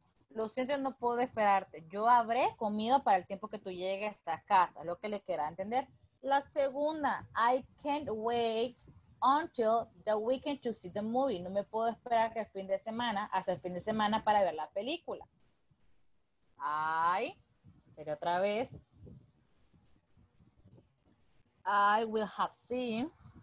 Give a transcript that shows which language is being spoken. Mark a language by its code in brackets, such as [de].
[es] Lo siento, no puedo esperarte. Yo habré comido para el tiempo que tú llegues a casa, lo que le quiera entender. La segunda, [en] I can't wait until the weekend to see the movie. [es] No me puedo esperar que el fin de semana, hasta el fin de semana para ver la película. I, pero otra vez. [en] I will have seen.